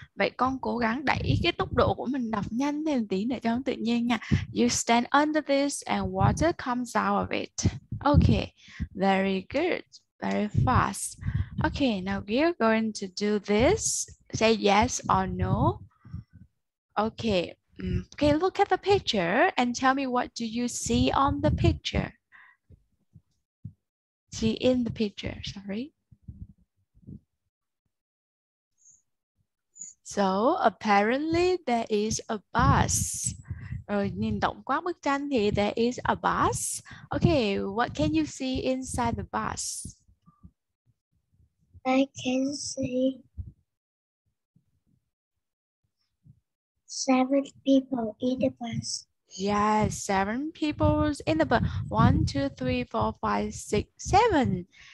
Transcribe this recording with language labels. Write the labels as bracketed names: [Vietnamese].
[Vietnamese] Vậy con cố gắng đẩy cái tốc độ của mình đọc nhanh lên tí để cho nó tự nhiên nha. [English] You stand under this and water comes out of it. Okay. Very good. Very fast. Okay, now we're going to do this. Say yes or no. Okay. Okay, look at the picture and tell me what do you see on the picture? See in the picture, sorry. So, apparently there is a bus. [Vietnamese] Rồi nhìn động qua bức tranh thì [English] there is a bus. Okay, what can you see inside the bus? I can see 7 people in the bus. Yes, 7 people in the bus. 1, 2, 3, 4, 5, 6, 7.